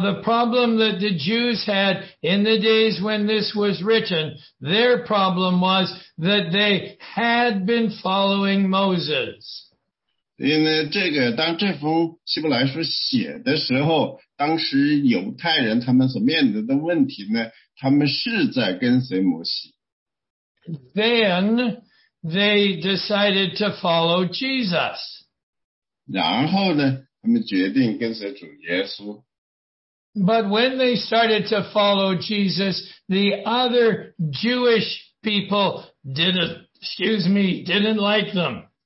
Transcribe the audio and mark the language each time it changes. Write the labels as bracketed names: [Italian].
[English] the problem that the Jews had in the days when this was written, their problem was that they had been following Moses. [Chinese] 所以呢，这个当这封希伯来书写的时候，当时犹太人他们所面临的问题呢，他们是在跟随摩西。 [English] Then they decided to follow Jesus. [Chinese] 然后呢，他们决定跟随主耶稣。 [English] But when they started to follow Jesus, the other Jewish people didn't like them.